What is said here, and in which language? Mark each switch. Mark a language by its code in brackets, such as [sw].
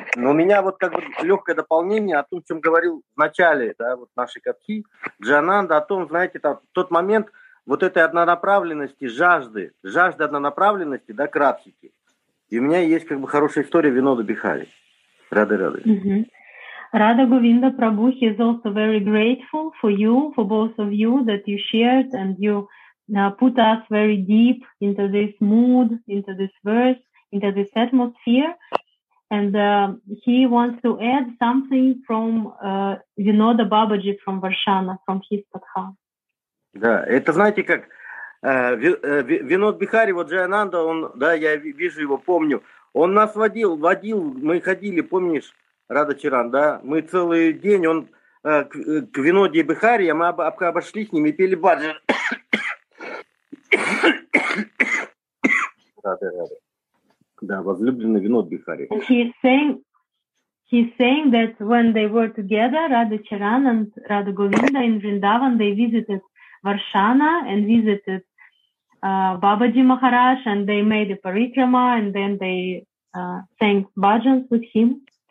[ru] Но у меня вот как бы легкое дополнение о том, о чем говорил в начале, да, вот нашей катхи, Джайананда, о том, знаете, там, тот момент вот этой однонаправленности, жажды однонаправленности, да, кратхики. И у меня есть как бы хорошая история Винода Бихари. Рады-рады. [en] Radha Govinda Prabhu, he is also very grateful for you, for both of you, that you shared and you put us very deep into this mood, into this verse, into this atmosphere. And he wants to add something from Vinoda Babaji from Varshana, from his Katha. [ru] Да, это знаете как, Vinod Bihari, вот Джайананда, он, да, я вижу его, помню, он нас водил, мы ходили, помнишь, Радха Чаран, да, мы целый день, он к Виноде и Бихари, мы обошли с ними и пели баджи. Да, возлюбленный Винод Бихари. [en] He's saying that when they were together, Radha Чаран and Radha Govinda in Vrindavan, they visited Varshana and visited Бабаджи Махарадж, and they made a parikrama, and then they sang bhajans with him.